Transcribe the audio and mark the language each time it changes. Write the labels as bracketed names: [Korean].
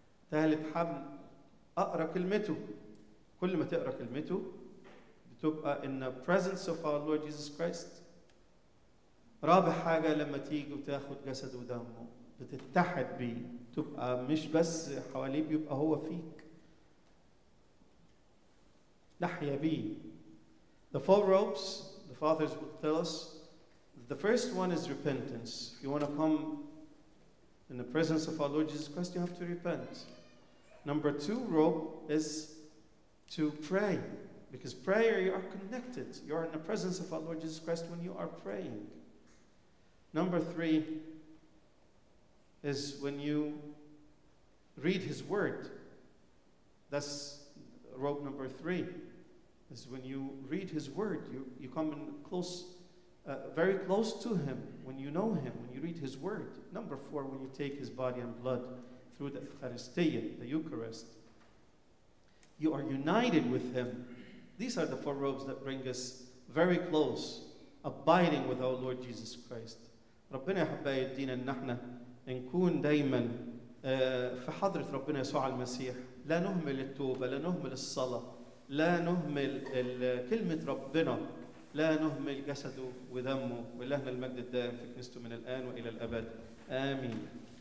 [Arabic] ثالث حبل أقرأ كلمته. كل ما تقرأ كلمته تبقى [English] in the presence of our Lord Jesus Christ. [Arabic] رابع حاجة لما تيجي وتاخد جسد ودمه بتتحد بيه, تبقى مش بس حواليه, بيبقى هو فيك, نحيا بيه. [English] The four ropes, the fathers would tell us, the first one is repentance. If you want to come in the presence of our Lord Jesus Christ, you have to repent. Number two rope is to pray. Because prayer, you are connected. You are in the presence of our Lord Jesus Christ when you are praying. Number three is when you read his word. That's rope number three. Is when you read his word. You come in close, very close to him when you know him, when you read his word. Number four, when you take his body and blood through the Eucharistia, the Eucharist. You are united with him. These are the four robes that bring us very close, abiding with our Lord Jesus Christ. [Arabic] ربنا يحبي الدين أن نحن نكون دائما في حضرة ربنا يسوع المسيح. لا نهمل التوبة, لا نهمل الصلاة, لا نهمل كلمة ربنا, لا نهمل جسده ودمه. ولهنا المجد الدائم في كنيسته من الآن وإلى الأبد. آمين.